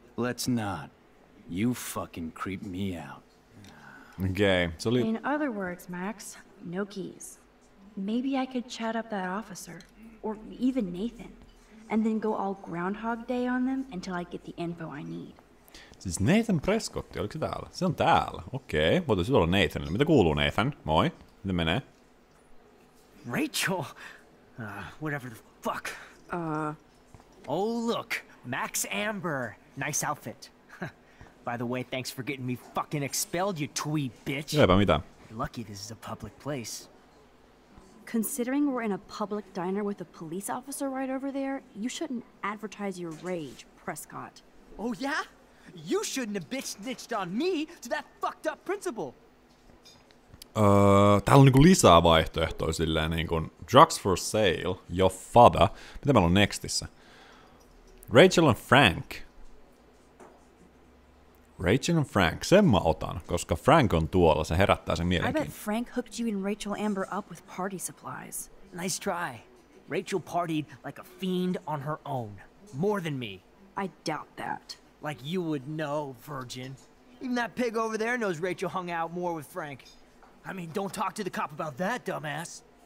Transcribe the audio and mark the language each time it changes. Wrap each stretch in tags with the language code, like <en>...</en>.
<en>Let's not. You fucking creep me out. Okay, so in other words, Max, no keys. Maybe I could chat up that officer, or even Nathan, and then go all Groundhog Day on them until I get the info I need.</en> <fi>Siis Nathan Prescott, oliko se täällä? Se on täällä. Okei, voitaisi siis olla Nathan. Mitä kuuluu, Nathan? Moi. Miten menee?</fi> <en>Rachel! Whatever the fuck. Oh, look. Max Amber. Nice outfit. By the way, thanks for getting me fucking expelled, you twee bitch.</en> <fi>Eipä mitään.</fi> <en>Lucky this is a public place. Considering we're in a public diner with a police officer right over there, you shouldn't advertise your rage, Prescott. Oh, yeah? You shouldn't have bitch snitched on me to that fucked up principal.</en> <fi>Täällä on niinku lisää vaihtoehtoja silleen niinku</fi> <en>drugs for sale, your father.</en> <fi>Mitä meillä on nextissä?</fi> <en>Rachel and Frank.</en> <fi>Rachel and Frank, sen mä otan, koska Frank on tuolla, se herättää sen mielenkiin.</fi> <en>I bet Frank hooked you and Rachel Amber up with party supplies. Nice try. Rachel partied like a fiend on her own. More than me. I doubt that. Like you would know, virgin. Even that pig over there knows Rachel hung out more with Frank. I mean, don't talk to the cop about that, dumbass.</en>